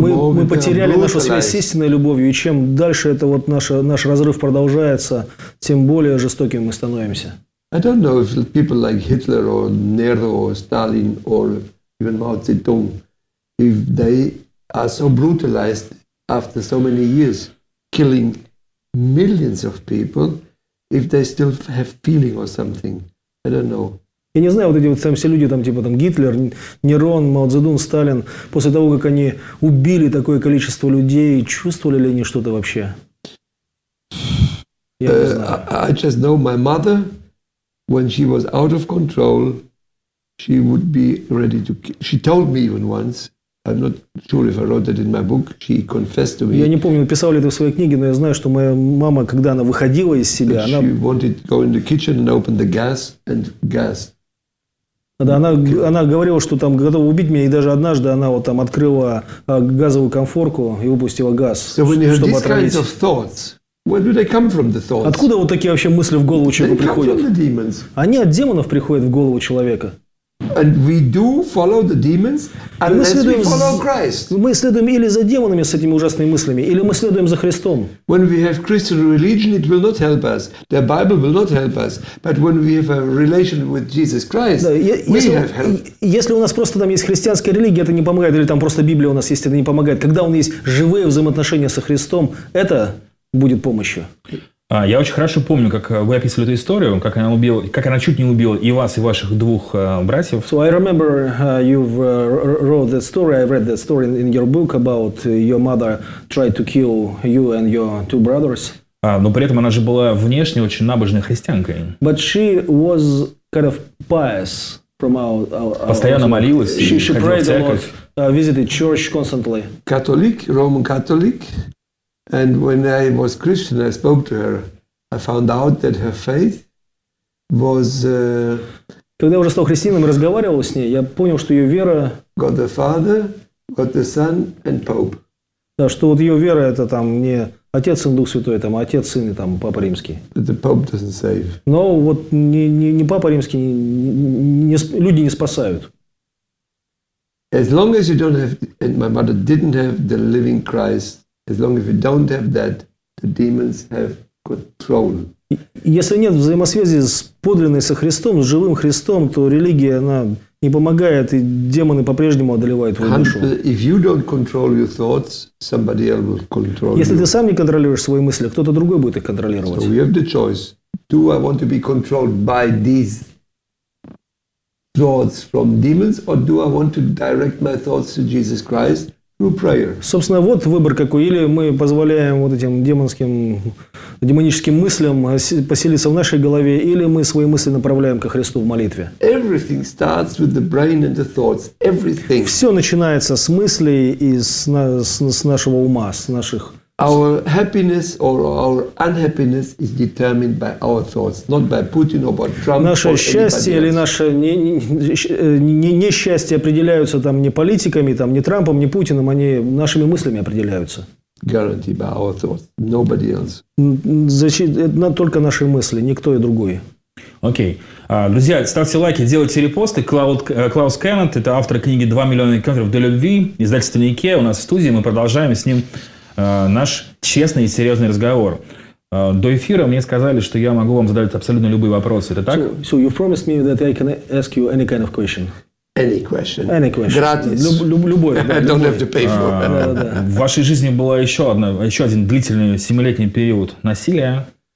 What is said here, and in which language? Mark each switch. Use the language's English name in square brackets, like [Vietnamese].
[Russian] мы, [English] more [Russian] мы потеряли нашу связь с истинной любовью, и чем дальше это вот наш разрыв продолжается, тем более жестоким мы становимся. [English] I don't know if people like Hitler or Nero or Stalin or even Mao Zedong, if they are so brutalized after so many years killing millions of people, if they still have feeling or something. I don't know. [Russian] Я не знаю, вот эти вот там все люди, там, типа там Гитлер, Нерон, Мао Цзэдун, Сталин, после того, как они убили такое количество людей, чувствовали ли они что-то вообще? Я не знаю. [English] I just know my mother, when she was out of control, she would be ready to kill. She told me even once, I'm not sure if I wrote that in my book, she confessed to me. Я не помню, написал ли это в своей книге, но я знаю, что моя мама, когда она выходила из себя, она... She wanted to go in the kitchen and open the gas and gas. [Russian] Да, она говорила, что там готова убить меня, и даже однажды она вот там открыла газовую конфорку и выпустила газ, [English] so when you [Russian] чтобы отравить. [English] Kind of thoughts, where do they come from, the thoughts? [Russian] Откуда вот такие вообще мысли в голову человека [English] they [Russian] приходят? [English] Come from the demons. [Russian] Они от демонов приходят в голову человека. [English] And we do follow the demons, unless we follow Christ. [Russian] Мы следуем или за демонами с этими ужасными мыслями, или мы следуем за Христом. [English] When we have Christian religion, it will not help us. The Bible will not help us. But when we have a relation with Jesus Christ, [Russian] да, [English] we have help. [Russian] Если у нас просто там есть христианская религия, это не помогает, или там просто Библия у нас есть, это не помогает. Когда у нас есть живые взаимоотношения со Христом, это будет помощью. Я очень хорошо помню, как вы описывали эту историю, как она убила, как она чуть не убила и вас, и ваших двух братьев. [English] So I remember you've wrote that story. I read that story in your book about your mother tried to kill you and your two brothers. [Russian] Но при этом она же была внешне очень набожной христианкой. [English] But she was kind of pious from our [Russian] постоянно молилась, [English] she prayed [Russian] в церковь. [English] A lot, visited church constantly. Catholic, Roman Catholic. And when I was Christian, I spoke to her. I found out that her faith was. [Russian] Когда я уже стал христианином, разговаривал с ней, я понял, что ее вера. [English] God the Father, God the Son, and Pope. [Russian] Да, что вот ее вера это там не отец и Дух Святой, там, а отец, сын и там папа римский. [English] But the Pope doesn't save. [Russian] Но вот не папа римский, не люди не спасают. [English] As long as you don't have, and my mother didn't have the living Christ. As long as you don't have that, the demons have control. [Russian] Если нет взаимосвязи с подлинной со Христом, с живым Христом, то религия она не помогает, и демоны по-прежнему одолевают твою душу. [English] If you don't control your thoughts, somebody else will control [Russian] Если [English] you. [Russian] Ты сам не контролируешь свои мысли, кто-то другой будет их контролировать. [English] So we have the choice. Do I want to be controlled by these thoughts from demons, or do I want to direct my thoughts to Jesus Christ through prayer? [Russian] Собственно, вот выбор какой. Или мы позволяем вот этим демоническим мыслям поселиться в нашей голове, или мы свои мысли направляем ко Христу в молитве. [English] Everything starts with the brain and the thoughts. Everything. [Russian] Все начинается с мыслей и с нашего ума, с наших. [English] Our happiness or our unhappiness is determined by our thoughts, not by Putin or by Trump or anybody else. [Russian] Наше счастье или наше несчастье определяются там не политиками, там не Трампом, не Путиным, они нашими мыслями определяются. [English] Guaranteed by our thoughts, nobody else. [Russian] Это только наши мысли, никто и другой. Окей. Друзья, ставьте лайки, делайте репосты. Клаус Кеннет, это автор книги «2 миллиона инкантеров до любви», издательство «Нике», у нас в студии, мы продолжаем с ним наш честный и серьезный разговор. До эфира мне сказали, что я могу вам задать абсолютно любые вопросы. Это так? [English] So you promised me that I can ask you any kind of question. Any question. Any question. Gratis. [Russian] Любой. [English] I don't have to pay for it. [Russian] В вашей жизни была еще один длительный 7-летний период насилия.